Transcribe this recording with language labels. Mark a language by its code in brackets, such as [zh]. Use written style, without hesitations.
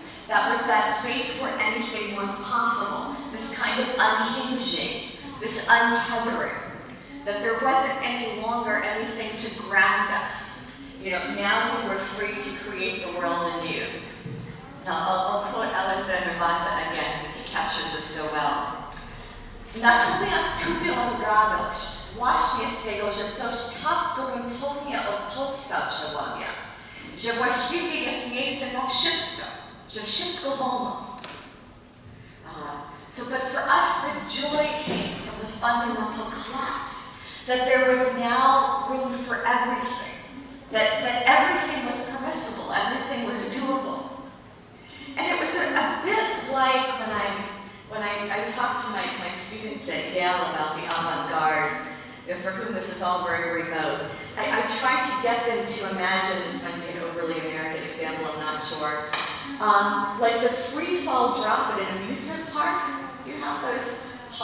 [en] That was that space where anything was possible, this kind of unhinging, this untethering, that there wasn't any longer anything to ground us. You know, now we were free to create the world anew. Now, I'll quote Alexander Bata again, because he captures this so well. [pl] Natomiast tupią radość właśnie z tego, że coś tak gruntownie od podstaw przełamia, że właściwie jest miejsce na wszystko, że wszystko wolno. [en] But for us, the joy came from the fundamental collapse, that there was now room for everything, that everything was permissible, everything was doable. And it was a bit like when I talk to my students at Yale about the avant-garde, you know, for whom this is all very remote, I try to get them to imagine, this might be an overly American example, I'm not sure, like the free fall drop at an amusement park. Do you have those